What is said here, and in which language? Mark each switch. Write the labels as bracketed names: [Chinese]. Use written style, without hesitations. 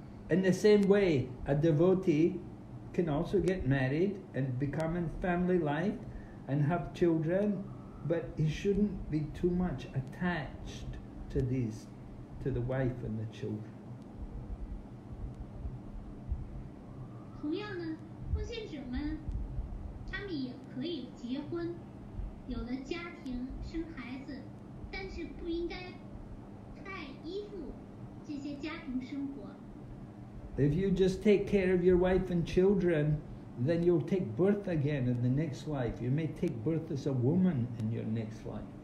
[English] In the same way, a devotee can also get married and become in family life and have children, but he shouldn't be too much attached to these, to the wife and the children. [Chinese] 同样呢,奉献者们,他们也可以结婚。 [English] If you just take care of your wife and children, then you'll take birth again in the next life. You may take birth as a woman in your next life.